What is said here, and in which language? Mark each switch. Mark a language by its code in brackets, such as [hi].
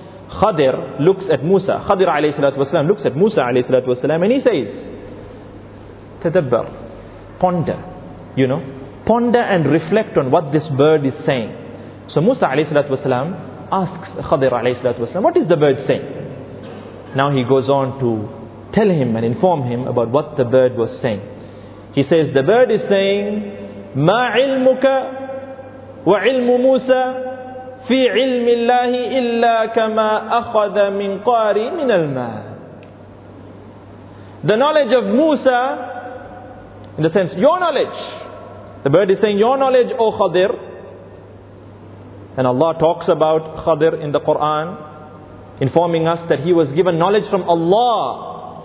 [en] Khadir looks at Musa. Khadir alayhi salatu wa sallam looks at Musa alayhi salatu wa sallam and he says, Tadabbar, ponder, you know, ponder and reflect on what this bird is saying. So Musa alayhi salatu wa sallam asks Khadir alayhi salatu wa sallam, what is the bird saying? Now he goes on to tell him and inform him about what the bird was saying. He says, the bird is saying, [ar] مَا عِلْمُكَ وَعِلْمُ مُوسَى فِي عِلْمِ اللَّهِ إِلَّا كَمَا أَخَذَ مِنْ قَارِ مِنَ الْمَاءِ. [en] The knowledge of Musa, in the sense, your knowledge. The bird is saying, your knowledge, O Khadir. And Allah talks about Khadir in the Quran, informing us that he was given knowledge from Allah.